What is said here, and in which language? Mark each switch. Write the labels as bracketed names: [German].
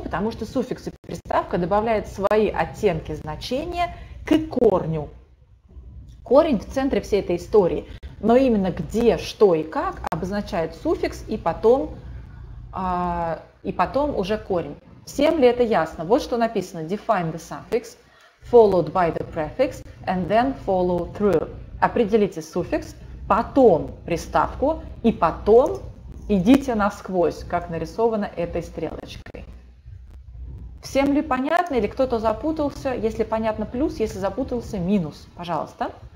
[Russian] Потому что суффикс и приставка добавляют свои оттенки значения к корню. Корень в центре всей этой истории. Но именно где, что и как обозначает суффикс и потом уже корень. Всем ли это ясно? Вот что написано. [English] Define the suffix, followed by the prefix, and then follow through. [Russian] Определите суффикс, потом приставку и потом идите насквозь, как нарисовано этой стрелочкой. Всем ли понятно или кто-то запутался? Если понятно, плюс, если запутался, минус. Пожалуйста.